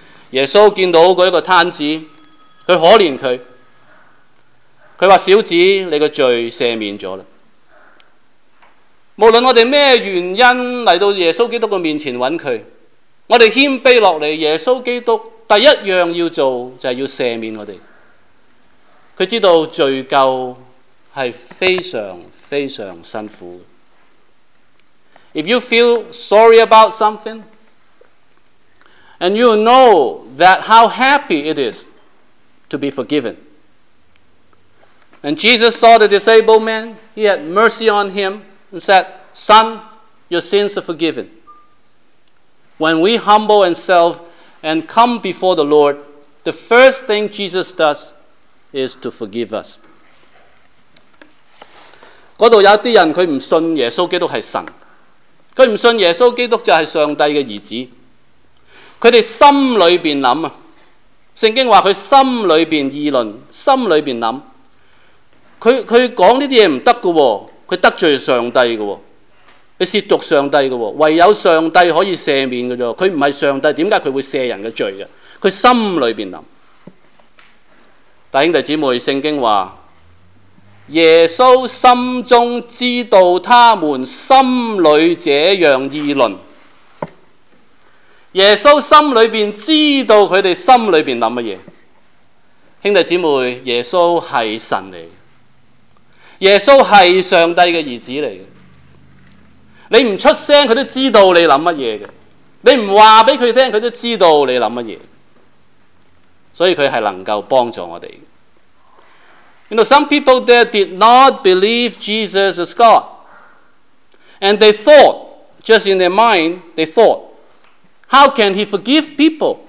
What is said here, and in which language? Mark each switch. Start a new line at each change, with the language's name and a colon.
Chinese: 耶稣见到那个摊子，他可怜他，他说小子，你的罪赦免了。无论我们什么原因来到耶稣基督的面前找他，我们谦卑下来，耶稣基督第一样要做就是要赦免我们。他知道罪疚是非常非常辛苦的。
English: If you feel sorry about something and you know that how happy it is to be forgiven, and Jesus saw the disabled man, he had mercy on him and said, Son, your sins are forgiven. When we humble ourselves and come before the Lord, the first thing Jesus does is to forgive us.
Chinese: 那裡有些人他不信耶穌基督是神，他不信耶穌基督就是上帝的兒子，他們心裡面想，聖經說他心裡面議論，心裡面想，他說這些東西不行的，他得罪上帝的，他褻瀆上帝的，唯有上帝可以赦免的，他不是上帝，為什麼他會赦人的罪？他心裡面想。弟兄弟姊妹，聖經說耶穌心中知道他們心裡這樣議論，耶穌心裡面知道他們心裡面想什麼。兄弟姊妹，耶穌是神來的，耶穌是上帝的兒子來的，你不出聲他都知道你想什麼的，你不告訴他聽他都知道你想什麼，所以他是能夠幫助我們的。
English: You know, some people there did not believe Jesus is God. And they thought, just in their mind, they thought, how can he forgive people?